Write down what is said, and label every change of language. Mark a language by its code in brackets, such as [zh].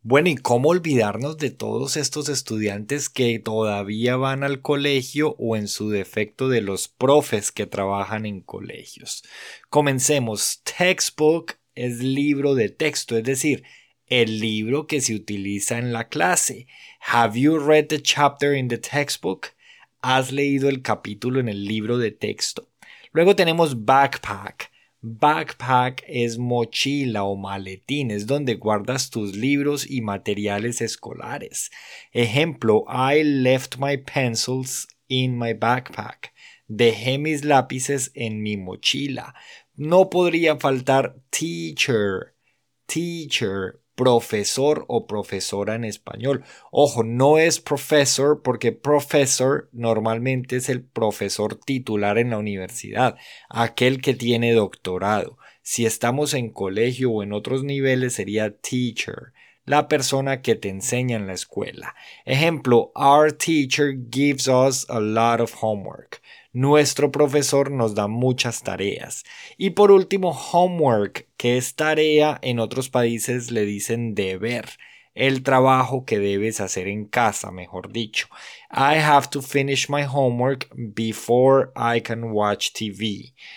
[es] Bueno, ¿y cómo olvidarnos de todos estos estudiantes que todavía van al colegio o en su defecto de los profes que trabajan en colegios? Comencemos. Textbook es libro de texto, es decir, el libro que se utiliza en la clase. [en] Have you read the chapter in the textbook? [es] ¿Has leído el capítulo en el libro de texto? Luego tenemos backpack. Backpack es mochila o maletín, es donde guardas tus libros y materiales escolares. Ejemplo, [en] I left my pencils in my backpack. [es] Dejé mis lápices en mi mochila. No podría faltar teacher, teacher, profesor o profesora en español. Ojo, no es professor porque professor normalmente es el profesor titular en la universidad, aquel que tiene doctorado. Si estamos en colegio o en otros niveles, sería teacher, la persona que te enseña en la escuela. Ejemplo, [en] our teacher gives us a lot of homework. [es] Nuestro profesor nos da muchas tareas. Y por último, homework, que es tarea, en otros países le dicen deber, el trabajo que debes hacer en casa, mejor dicho. [en] I have to finish my homework before I can watch TV.